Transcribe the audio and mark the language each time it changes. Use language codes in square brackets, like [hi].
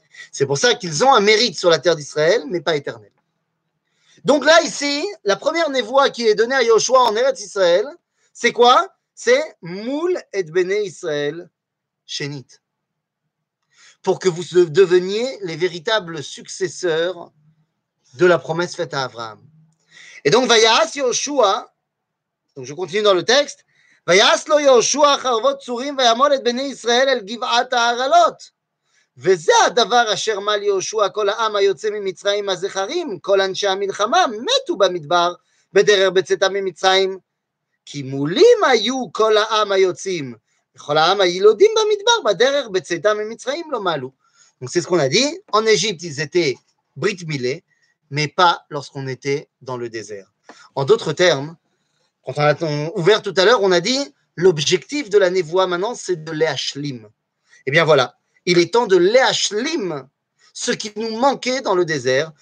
[fr] C'est pour ça qu'ils ont un mérite sur la terre d'Israël, mais pas éternel. Donc là, ici, la première névoie qui est donnée à Yahushua en Eretz Israël, c'est quoi ? C'est « [he] Moul et Bene Israël Shenit [fr] » pour que vous deveniez les véritables successeurs de la promesse faite à Abraham. Et donc, « Vayas Yahushua » donc je continue dans le texte, [he] « Vayas lo Yahushua charvot tsurim vayamol et Bene Israël el givat ha'aralot » וזה הדבר אשר מל יהושע כל העם היוצא ממצרים הזכרים, כל אנשי המלחמה מתו במדבר בדרר בצאתם ממצרים, כי מולים היו כל העם היוצאים, וכל העם הילודים במדבר בדרר בצאתם ממצרים לא מלו. [fr] Donc c'est ce qu'on a dit, en Égypte ils étaient brit milé, mais pas lorsqu'on était dans le désert. En d'autres termes, quand on a ouvert tout à l'heure, on a dit, l'objectif de la névoie maintenant, c'est de l'Hashlim. Et bien voilà, il est temps de l'Hashlim, ce qui nous manquait dans le désert.